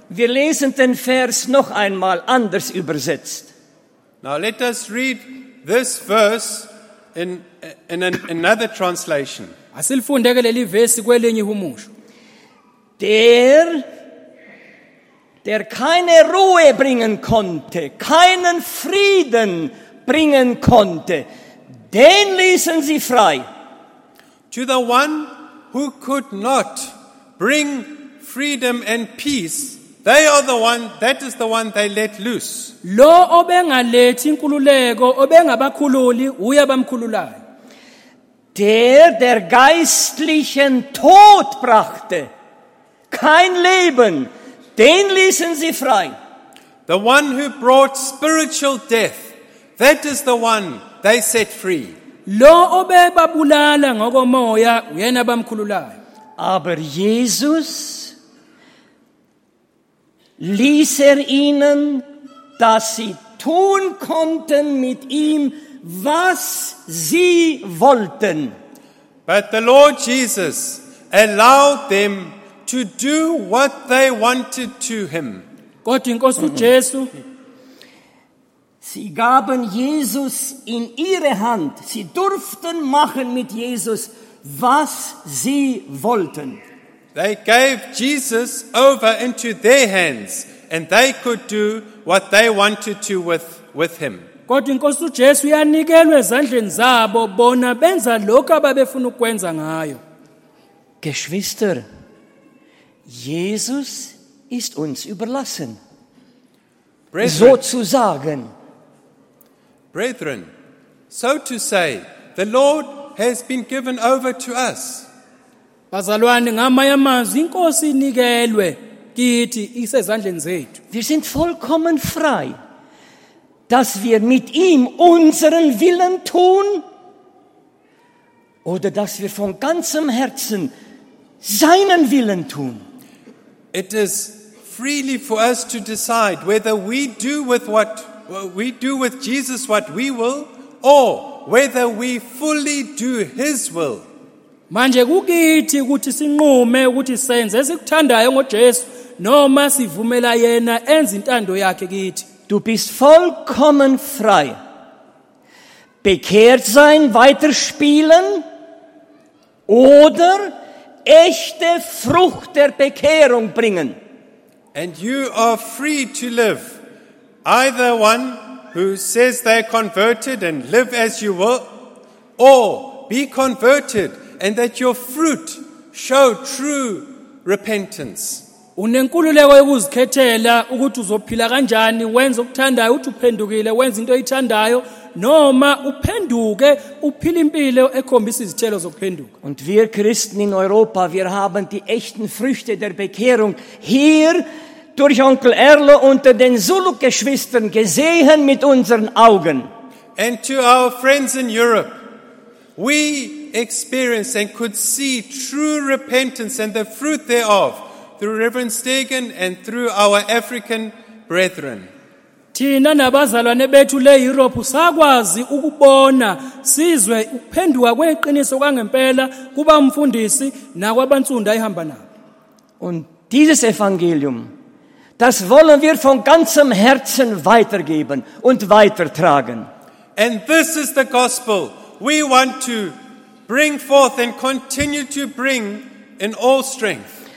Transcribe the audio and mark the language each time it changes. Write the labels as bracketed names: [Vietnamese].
[German] Wir lesen den Vers noch einmal anders übersetzt. [English] Now let us read this verse in another translation. [Zulu] Asilfundeke leli vesi kwelinye humusho. [German] der keine Ruhe bringen konnte, keinen Frieden bringen konnte, den ließen sie frei. [English] To the one who could not bring freedom and peace, they are the one, that is the one they let loose. [Zulu] Lo obengalethi inkululeko, obengabakhululi, uya bamkhululayo. [German] Der geistlichen Tod brachte, kein Leben, den ließen sie frei. [English] The one who brought spiritual death, that is the one they set free. [Zulu] Lo obebabulala ngokomoya, uyena bamkhululayo. [German] Aber Jesus ließ ihnen, dass sie tun konnten mit ihm, was sie wollten. [English] But the Lord Jesus allowed them to do what they wanted to him. [German] Gott in Christus Jesus. Sie gaben Jesus in ihre Hand. Sie durften machen mit Jesus, was sie wollten. [English] They gave Jesus over into their hands and they could do what they wanted to with him. [Zulu] Kodwa inkosi uJesu yanikelwe ezandleni zabo bona benza lokho ababefuna ukwenza ngayo. [German] Geschwister, Jesus ist uns überlassen. Sozusagen. [English] Brethren, so to say, the Lord has been given over to us. [Zulu] Bazalwane ngamanye amazwi inkosi inikelwe kithi isezandleni zethu. [German] Wir sind vollkommen frei, dass wir mit ihm unseren Willen tun oder dass wir von ganzem Herzen seinen Willen tun. [English] It is freely for us to decide whether we do with what we do with Jesus what we will or whether we fully do his will. [Zulu] Manje kukithi ukuthi sinqume ukuthi senze esikuthandayo ngoJesu noma sivumela yena enze intando yakhe kithi. [German] Du bist vollkommen frei. Bekehrt sein, weiterspielen oder echte Frucht der Bekehrung bringen. [English] And you are free to live. Either one who says they're converted and live as you will, or be converted and that your fruit show true repentance. [Zulu] Unenkululeko yokuzikhethela ukuthi uzophila kanjani, wenza okuthandayo, uthi uphendukile, wenza into oyithandayo, noma uphenduke, uphile impilo ekhombisa izithelo zokuphenduka. [German] Und wir Christen in Europa, wir haben die echten Früchte der Bekehrung hier durch Onkel Erlo unter den Zulu-Geschwistern gesehen mit unseren Augen. [English] And to our friends in Europe, we experienced and could see true repentance and the fruit thereof through Reverend Stegen and through our African brethren. [Zulu] Thina nabazalwane bethu le Europe sakwazi ukubona sizwe uphenduka kweqiniso kwangempela kuba umfundisi nakwabantsundu ayihamba nabo. [German] Und dieses Evangelium, das wollen wir von ganzem Herzen weitergeben und weitertragen. [English] And this is the gospel we want to bring forth and continue to bring in all strength.